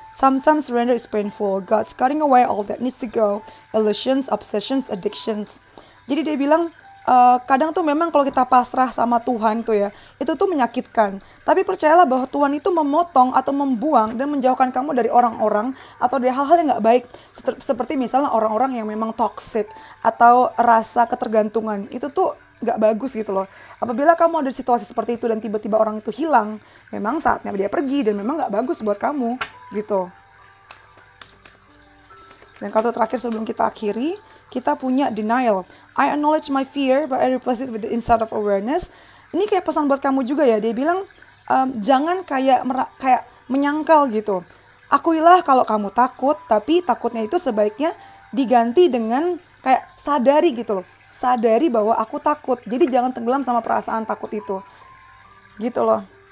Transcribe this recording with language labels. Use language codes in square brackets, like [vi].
[en] Sometimes surrender is painful. God's cutting away all that needs to go. Illusions, obsessions, addictions. [id] Jadi dia bilang, Kadang tuh memang kalau kita pasrah sama Tuhan tuh ya, itu tuh menyakitkan. Tapi percayalah bahwa Tuhan itu memotong atau membuang dan menjauhkan kamu dari orang-orang atau dari hal-hal yang nggak baik. Seperti misalnya orang-orang yang memang toxic atau rasa ketergantungan, itu tuh nggak bagus gitu loh. Apabila kamu ada situasi seperti itu dan tiba-tiba orang itu hilang, memang saatnya dia pergi dan memang nggak bagus buat kamu gitu. Dan kartu terakhir sebelum kita akhiri, kita punya denial. [en] I acknowledge my fear, but I replace it with the insight of awareness. [id] Ini kayak pesan buat kamu juga ya. Dia bilang, jangan kayak menyangkal gitu. Akuilah kalau kamu takut, tapi takutnya itu sebaiknya diganti dengan kayak sadari gitu loh. Sadari bahwa aku takut. Jadi jangan tenggelam sama perasaan takut itu. Gitu loh.